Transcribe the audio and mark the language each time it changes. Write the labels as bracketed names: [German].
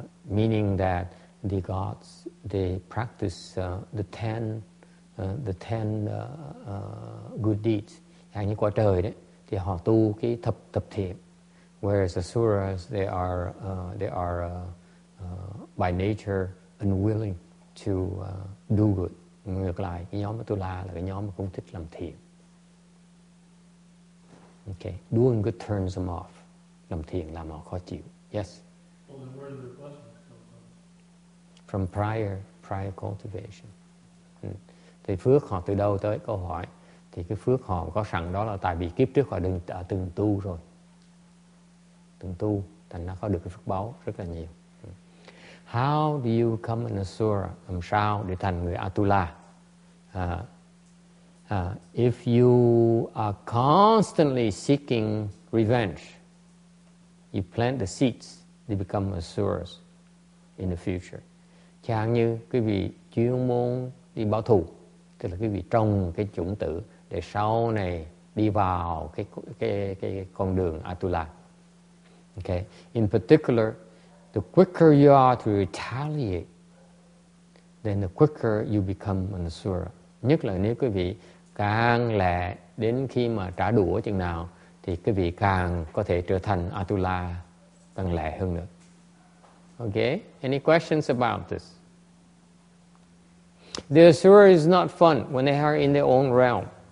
[English] Meaning that the gods, they practice the ten good deeds. [Vietnamese] Hay như quả trời đấy, thì họ tu cái thập thiện. [English] Whereas Asuras, they are by nature unwilling to do good. [Vietnamese] Ngược lại, cái nhóm Atula là cái nhóm không thích làm thiện. [English] Okay, doing good turns them off. [Vietnamese] Làm thiện làm họ khó chịu. [English] Yes. From prior cultivation. [Vietnamese] Thì phước họ từ đâu tới câu hỏi. Thì cái phước họ có sẵn đó là tại vì kiếp trước họ đã từng tu rồi. Từng tu, thành nó có được cái phước báo rất là nhiều. [English] How do you become an Asura? [Vietnamese] Làm sao để thành người Atula? [English] If you are constantly seeking revenge, you plant the seeds to become Asuras in the future. [Vietnamese] Chẳng như cái vị chuyên môn đi báo thù, tức là cái vị trồng cái chủng tử để sau này đi vào cái con đường Atula. [English] Okay. In particular, the quicker you are to retaliate, then the quicker you become an Asura. [Vietnamese] Nhất là nếu quý vị càng lẹ đến khi mà trả đũa chừng nào, thì quý vị càng có thể trở thành Atula càng lẹ hơn nữa. [English] Okay, any questions about this? The Asura is not fun when they are in their own realm.